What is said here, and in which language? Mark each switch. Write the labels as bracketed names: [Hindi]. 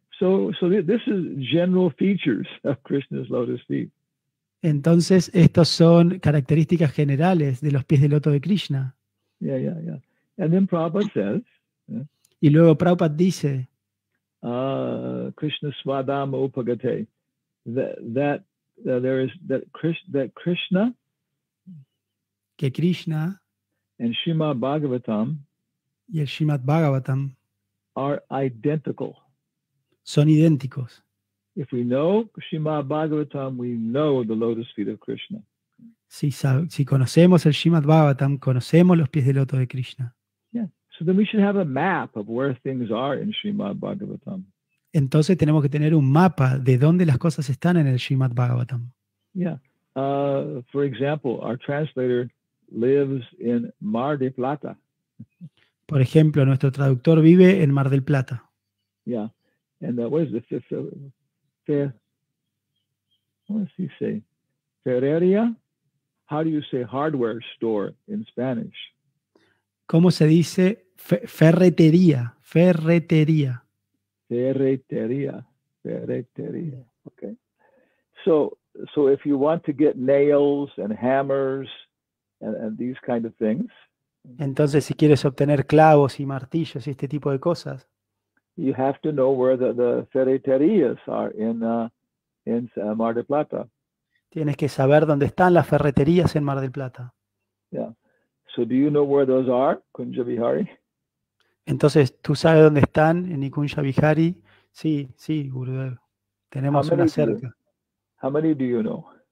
[English] So this is general features of Krishna's lotus feet. [Spanish] Entonces, estos son características generales de los pies de loto de Krishna. [English] Yeah, yeah, yeah. And then Prabhupada says, [Spanish] y luego Prabhupada dice, [Sanskrit] Krishna swadama upagate, [English] that Krishna, [Spanish] que Krishna, [English] and Srimad Bhagavatam, [Spanish] y el Srimad Bhagavatam, [English] are identical. [Spanish] Son idénticos. [English] If we know Srimad Bhagavatam, we know the lotus feet of Krishna. [Spanish] Si conocemos el Srimad Bhagavatam, conocemos los pies de loto de Krishna. [English] So then we should have a map of where things are in Srimad Bhagavatam. [Spanish] Entonces tenemos que tener un mapa de dónde las cosas están en el Srimad Bhagavatam. [English] Yeah. For example, our translator lives in Mar del Plata. [Spanish] Por ejemplo, nuestro traductor vive en Mar del Plata. [English] Yeah. And what is the Ferreria? How do you say hardware store in Spanish? [Spanish] ¿Cómo se dice ferretería? Ferretería. Ferretería. Ferretería. Okay. [English] So if you want to get nails and hammers and these kind of things. [Spanish] Entonces, si quieres obtener clavos y martillos y este tipo de cosas. [English] You have to know where the ferreterías are in Mar del Plata. [Spanish] Tienes que saber dónde están las ferreterías en Mar del Plata. [English] Yeah. So do you know where those are, Kunja Vihari? [Spanish] Entonces, ¿tú sabes dónde están en Nikunja Vihari? Sí, sí, Gurudev. Tenemos una cerca. [English] How many do you know?